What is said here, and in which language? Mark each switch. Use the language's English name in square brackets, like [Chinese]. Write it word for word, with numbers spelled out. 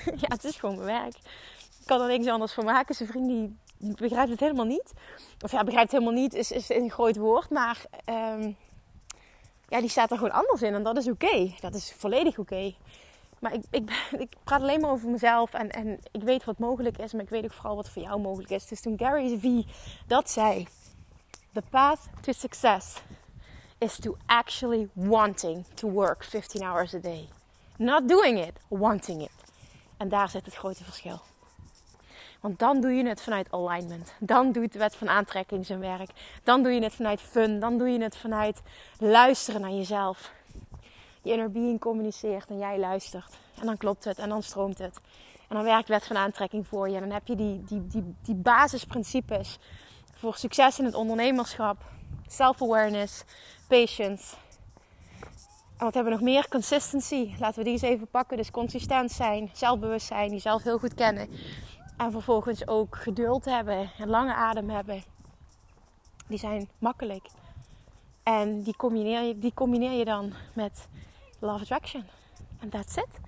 [Dutch] Ja, het is gewoon mijn werk. Ik kan er niks anders van maken. Zijn vriend die begrijpt het helemaal niet. Of ja, begrijpt het helemaal niet is, is een groot woord. Maar um, ja, die staat er gewoon anders in en dat is oké. Okay. Dat is volledig oké. Okay. Maar ik, ik, ik praat alleen maar over mezelf en, en ik weet wat mogelijk is. Maar ik weet ook vooral wat voor jou mogelijk is. Dus toen Gary Vee dat zei. [English] The path to success is to actually wanting to work fifteen hours a day. Not doing it, wanting it. [Dutch] En daar zit het grote verschil. Want dan doe je het vanuit alignment. Dan doet de wet van aantrekking zijn werk. Dan doe je het vanuit fun. Dan doe je het vanuit luisteren naar jezelf. Je inner being communiceert en jij luistert. En dan klopt het en dan stroomt het. En dan werkt wet van aantrekking voor je. En dan heb je die, die, die, die basisprincipes voor succes in het ondernemerschap. [English] Self-awareness, patience. [Dutch] En wat hebben we nog meer? Consistency. Laten we die eens even pakken. Dus consistent zijn, zelfbewustzijn, jezelf heel goed kennen. En vervolgens ook geduld hebben en lange adem hebben. Die zijn makkelijk. En die combineer je, die combineer je dan met Law of Attraction. En [English] that's it.